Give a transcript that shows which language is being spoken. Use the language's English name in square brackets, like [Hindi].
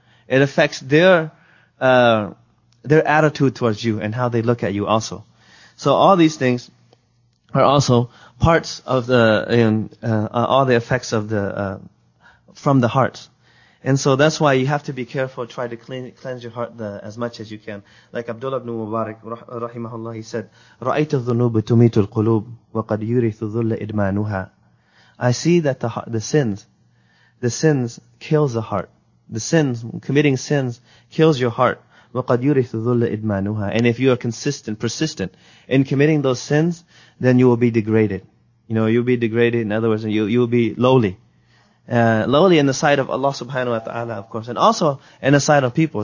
[English] It affects their attitude towards you and how they look at you also. So all these things are also parts of the, all the effects of the, from the heart. And so that's why you have to be careful, try to cleanse your heart as much as you can. Like Abdullah ibn Mubarak, rahimahullah, he said, [Arabic] رَأَيْتُ الذُّنُوبِ تُمِيتُ الْقُلُوبِ وَقَدْ يُرِثُ ذُلَّ إِدْمَانُهَا. [English] I see that the sins kills the heart. The sins, committing sins, kills your heart. [Arabic] وَقَدْ يُرِثُ ذُلَّ إِدْمَانُهَا. [English] And if you are persistent in committing those sins, then you will be degraded. You know, you'll be degraded, in other words, you will be lowly. Lowly in the sight of Allah subhanahu wa ta'ala, of course, and also in the sight of people.